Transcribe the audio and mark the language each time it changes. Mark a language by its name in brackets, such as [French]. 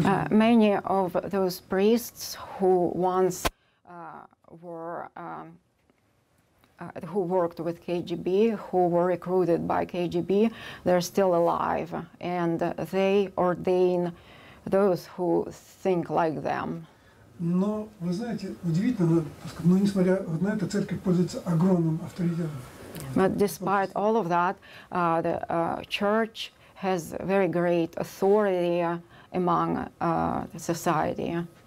[English] Many of those priests who once were who worked with KGB, who were recruited by KGB, they're still alive, and they ordain those who think like them. [Russian] Но вы знаете, удивительно, но несмотря на это, церковь пользуется огромным авторитетом. [English] But despite all of that, the church has very great authority among the society.